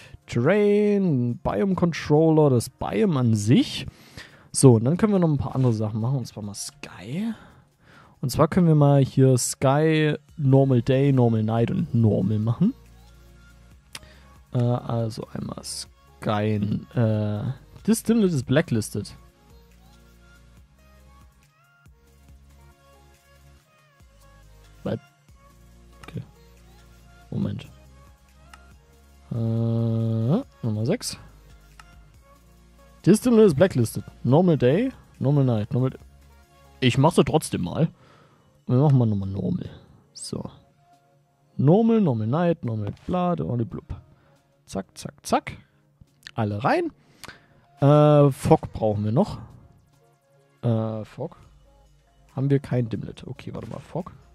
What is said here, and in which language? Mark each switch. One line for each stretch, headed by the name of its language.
German: Terrain, Biom-Controller, das Biom an sich. So, und dann können wir noch ein paar andere Sachen machen, und zwar mal Sky. Und zwar können wir mal hier Sky, Normal Day, Normal Night und Normal machen. Also einmal Sky.
English: This Dimlet is blacklisted.
German: What? Okay. Moment. Nummer 6.
English: This Dimlet is blacklisted.
German: Normal Day, Normal Night, Normal Day. Ich mach's trotzdem mal. Wir machen mal nochmal Normal. So. Normal, Normal Night, Normal Blade, Only Blub. Zack, zack, zack. Alle rein. Fog brauchen wir noch. Fog. Haben wir kein Dimlet. Okay, warte mal. Fog.